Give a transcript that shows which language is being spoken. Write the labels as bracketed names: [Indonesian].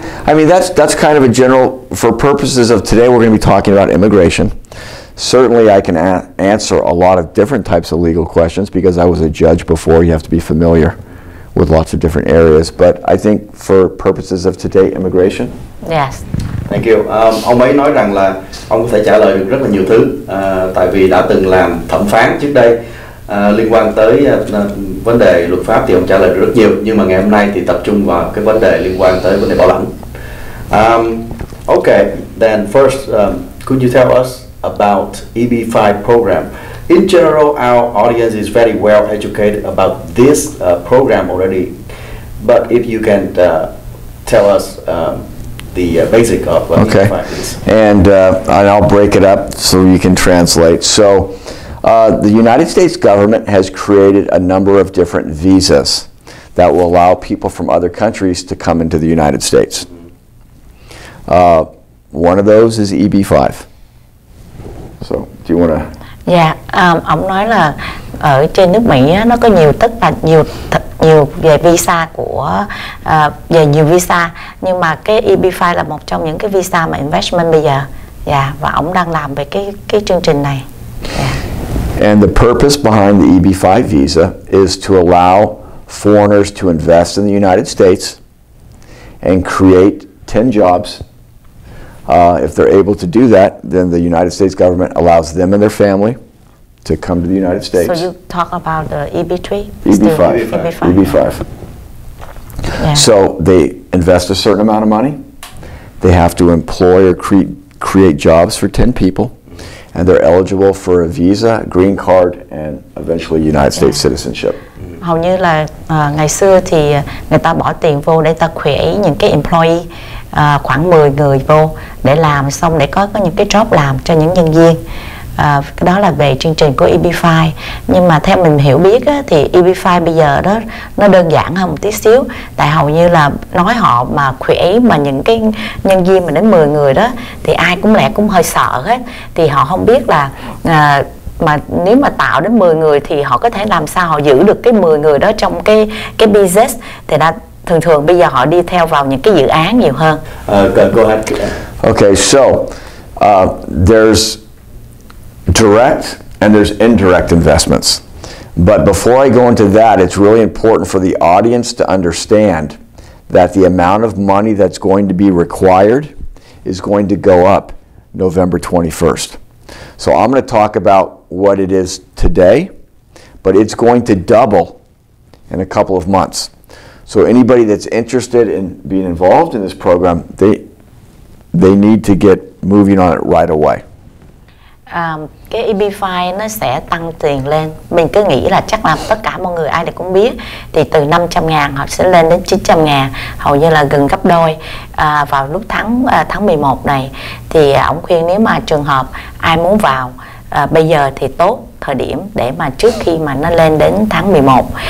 [English] I mean, that's kind of a general, for purposes of today we're going to be talking about immigration. Certainly I can answer a lot of different types of legal questions because I was a judge before. You have to be familiar with lots of different areas, but I think for purposes of today, immigration. Yes. Thank you. [Vietnamese] Ông ấy nói rằng là ông có thể trả lời được rất là nhiều thứ, tại vì đã từng làm thẩm phán trước đây, liên quan tới vấn đề luật pháp thì ông trả lời được rất nhiều, nhưng mà ngày hôm nay thì tập trung vào cái vấn đề liên quan tới vấn đề bảo lãnh. [English] Okay, then first, could you tell us about EB-5 program? In general, our audience is very well educated about this program already. But if you can tell us the basic of what okay. And I'll break it up so you can translate. So the United States government has created a number of different visas that will allow people from other countries to come into the United States. One of those is EB-5. So, do you want to? [Vietnamese] Yeah, ông nói là ở trên nước Mỹ á, nó có nhiều tất là nhiều nhiều về visa của về nhiều visa, nhưng mà cái EB-5 là một trong những cái visa mà investment bây giờ. Yeah, và ông đang làm về cái chương trình này. [English] Yeah. And the purpose behind the EB-5 visa is to allow foreigners to invest in the United States and create 10 jobs. If they're able to do that, then the United States government allows them and their family to come to the United States. So you talk about the EB-3? EB-5. EB-5. Yeah. So they invest a certain amount of money. They have to employ or create jobs for 10 people. And they're eligible for a visa, green card, and eventually United States yeah. citizenship. [Vietnamese] Hầu như là ngày xưa thì người ta bỏ tiền vô để ta create những cái employee khoảng 10 người vô để làm xong để có những cái job làm cho những nhân viên. Cái đó là về chương trình của EB-5. Nhưng mà theo mình hiểu biết á, thì EB-5 bây giờ đó nó đơn giản hơn một tí xíu. Tại hầu như là nói họ mà create mà những cái nhân viên mà đến 10 người đó thì ai cũng lẽ cũng hơi sợ hết. Thì họ không biết là mà nếu mà tạo đến 10 người thì họ có thể làm sao họ giữ được cái 10 người đó trong cái business. Thì đã thường thường bây giờ họ đi theo vào những cái dự án nhiều hơn. [English] Go ahead. Okay, so there's direct and there's indirect investments. But before I go into that, it's really important for the audience to understand that the amount of money that's going to be required is going to go up November 21st. So I'm going to talk about what it is today, but it's going to double in a couple of months. So anybody that's interested in being involved in this program, they need to get moving on it right away. [Vietnamese] Cái EB-5 nó sẽ tăng tiền lên. Mình cứ nghĩ là chắc là tất cả mọi người ai cũng biết. Thì từ 500.000 họ sẽ lên đến 900.000, hầu như là gần gấp đôi vào lúc tháng 11 này. Thì ổng khuyên nếu mà trường hợp ai muốn vào bây giờ thì tốt thời điểm để mà trước khi mà nó lên đến tháng 11.